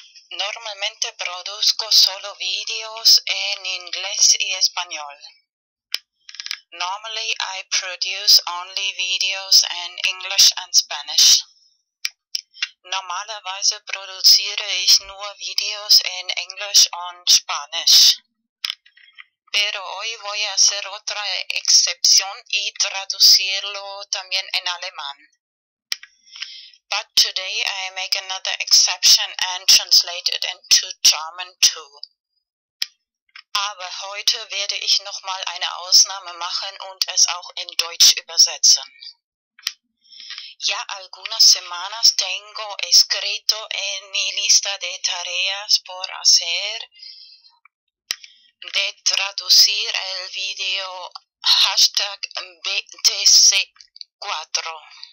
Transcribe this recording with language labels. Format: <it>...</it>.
<es>Normalmente produzco solo videos en inglés y español.</es> <en>Normally I produce only videos in English and Spanish.</en> <de>Normalerweise produziere ich nur videos</de> <es>en inglés y español. Pero hoy voy a hacer otra excepción y traducirlo también en alemán.</es> <en>But today I make another exception and translate it into German too.</en> <de>Aber heute werde ich nochmal eine Ausnahme machen und es auch in Deutsch übersetzen.</de> <es>Ya algunas semanas tengo escrito en mi lista de tareas por hacer de traducir el video hashtag BTC4.</es>